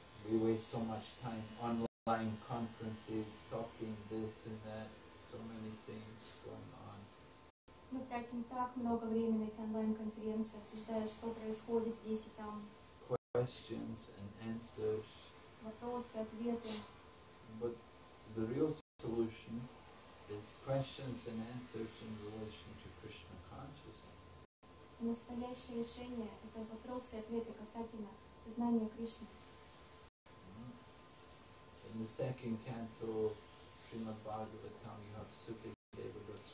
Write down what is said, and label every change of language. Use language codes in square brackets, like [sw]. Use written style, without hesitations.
[en] We waste so much time online conferences, talking this and that, so many things going on. [ru] Мы тратим так много времени на эти онлайн-конференции, обсуждая, что происходит здесь и там. [en] Questions and answers. [ru] Вопросы, ответы. [en] But the real solution is questions and answers in relation to Krishna consciousness. [ru] Настоящее решение – это вопросы и ответы касательно сознания Кришны. [en] In the second canto of Srimad Bhagavatam, you have Sukadeva